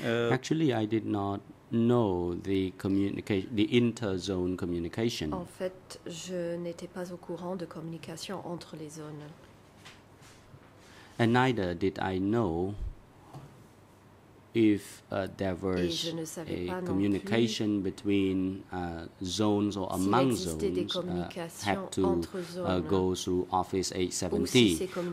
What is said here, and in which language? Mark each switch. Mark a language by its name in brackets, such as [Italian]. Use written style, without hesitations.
[English] Actually, I did not know the communication, the inter-zone communication. [French] En fait, je n'étais pas au courant de communication entre les zones. [English] And neither did I know if there was a communication between zones or among zones had to go through Office 870.